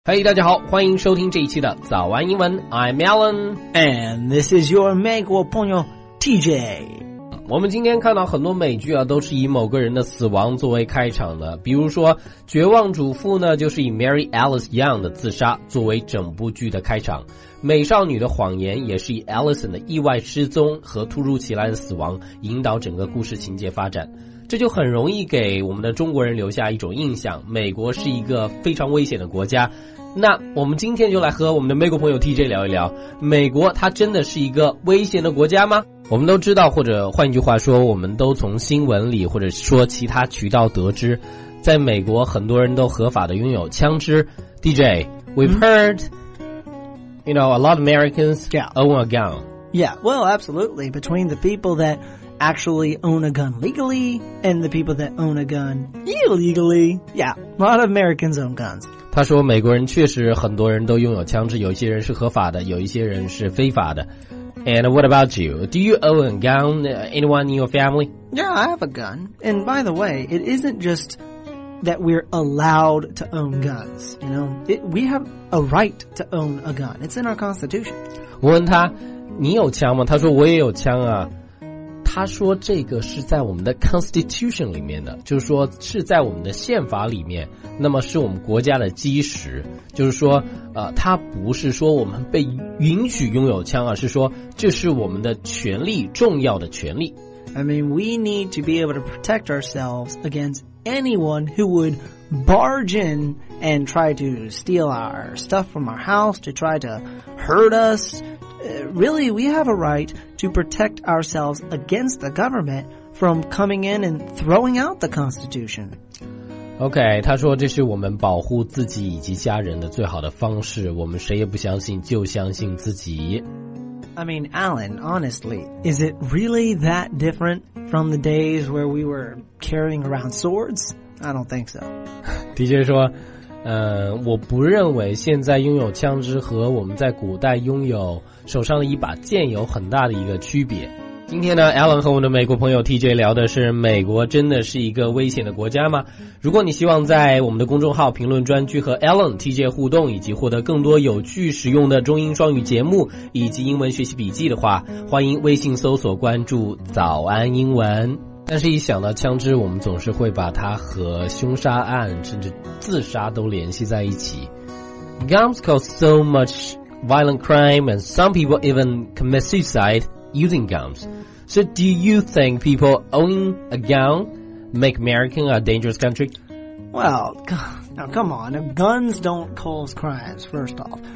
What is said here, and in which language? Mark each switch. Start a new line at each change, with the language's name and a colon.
Chinese: 嘿、hey, 大家好，欢迎收听这一期的早安英文。
English: I'm Alan and this is your
Chinese: 美国朋友
English: TJ。
Chinese: 我们今天看到很多美剧啊，都是以某个人的死亡作为开场的，比如说绝望主妇呢，就是以 Mary Alice Young 的自杀作为整部剧的开场，美少女的谎言也是以 Allison 的意外失踪和突如其来的死亡引导整个故事情节发展，这就很容易给我们的中国人留下一种印象，美国是一个非常危险的国家。那我们今天就来和我们的美国朋友 TJ 聊一聊，美国它真的是一个危险的国家吗？我们都知道，或者换一句话说，我们都从新闻里或者说其他渠道得知，在美国很多人都合法的拥有枪支。
English: DJ we've heard you know a lot of Americans own a gun. Yeah, well absolutely, between the people thatactually own a gun legally and the people that own a gun illegally. Yeah, a lot of Americans own guns.
Chinese: 他说美国人确实很多人都拥有枪支，有一些人是合法的，有一些人是非法的。
English: And what about you? Do you own a gun? Anyone in your family? Yeah, I have a gun. And by the way, it isn't just that we're allowed to own guns. You know, we have a right to own a gun. It's in our constitution.
Chinese: 我问他你有枪吗？他说我也有枪啊。他说这个是在我们的 constitution 里面的，就是说是在我们的宪法里面，那么是我们国家的基石，就是说他不是说我们被允许拥有枪，而是说这是我们的权利，重要的权利。
English: I mean we need to be able to protect ourselves against anyone who would barge in and try to steal our stuff from our house, to try to hurt usReally, we have a right to protect ourselves against the government from coming in and throwing out the Constitution.
Chinese: Okay, 他说这是我们保护自己以及家人的最好的方式，我们谁也不相信，就相信自己。
English: I mean, Alan, honestly, is it really that different from the days where we were carrying around swords? I don't think so.
Chinese: 的确说我不认为现在拥有枪支和我们在古代拥有手上的一把剑有很大的一个区别。今天呢 Alan 和我们的美国朋友 TJ 聊的是美国真的是一个危险的国家吗？如果你希望在我们的公众号评论专区和 Alan TJ 互动，以及获得更多有趣实用的中英双语节目以及英文学习笔记的话，欢迎微信搜索关注早安英文。但是一想到枪支，我们总是会把它和凶杀案甚至自杀都联系在一起。
English: Guns cause so much violent crime and some people even commit suicide using guns. So do you think people owning a gun make America a dangerous country? Well, now come on, guns don't cause crimes, first off.